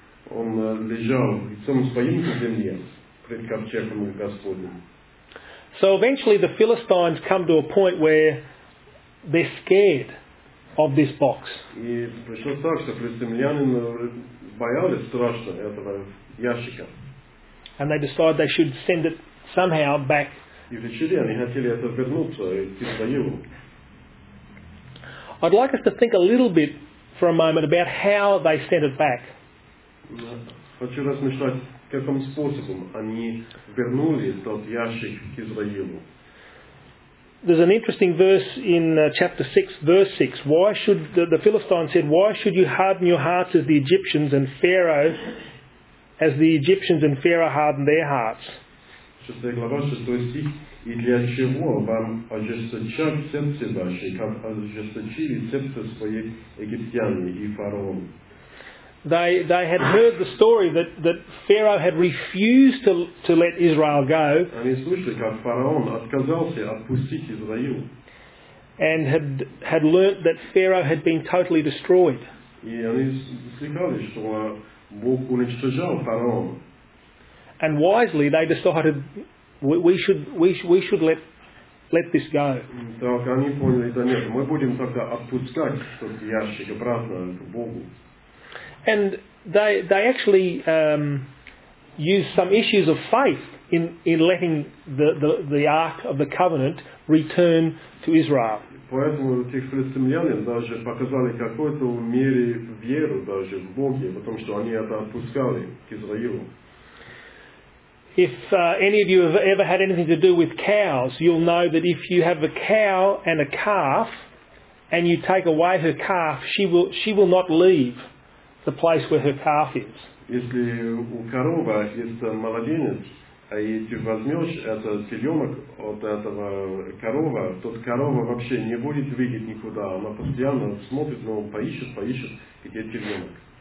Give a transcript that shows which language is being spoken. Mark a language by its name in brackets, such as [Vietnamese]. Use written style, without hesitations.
[Russian] Он лежал лицом своим на земле пред ковчегом Господним. [English] So eventually the Philistines come to a point where they're scared of this box. [Russian] И пришло так, что филистимляне боялись страшно этого ящика. [English] And they decided they should send it somehow back. [Russian] И решили, они хотели это вернуться и идти в Саиву. [English] I'd like us to think a little bit for a moment about how they sent it back. [Russian] Хочу размышлять, каким способом они вернули тот ящик к Израилю. [English] There's an interesting verse in chapter 6, verse 6. Why should the Philistines said, why should you harden your hearts as the Egyptians and Pharaoh, as the Egyptians and Pharaoh hardened their hearts? [Russian] 6 глава, 6 стих. И для чего вам ожесточат сердце ваше, как ожесточили сердце свои египтяне и фараон? [English] They had heard the story that Pharaoh had refused to let Israel go. [Russian] Они слышали, как фараон отказался отпустить Израиль. [English] And had learnt that Pharaoh had been totally destroyed. [Russian] И они слыхали, что Бог уничтожал фараона. [English] And wisely they decided we should let this go. [Russian] Так они поняли, да нет, мы будем тогда отпускать тот ящик обратно к Богу. [English] And they actually used some issues of faith in letting the Ark of the Covenant return to Israel. [Russian] Поэтому эти филистимляне даже показали какой-то мере веру даже в Боге, потому что они это отпускали к Израилю. [English] If any of you have ever had anything to do with cows, you'll know that if you have a cow and a calf, and you take away her calf, she will not leave the place where her calf is. [Russian] Если у коровы есть младенец, а и ты возьмешь этот теленок от этого коровы, то корова вообще не будет двигать никуда. Она постоянно смотрит, но поищет, где теленок.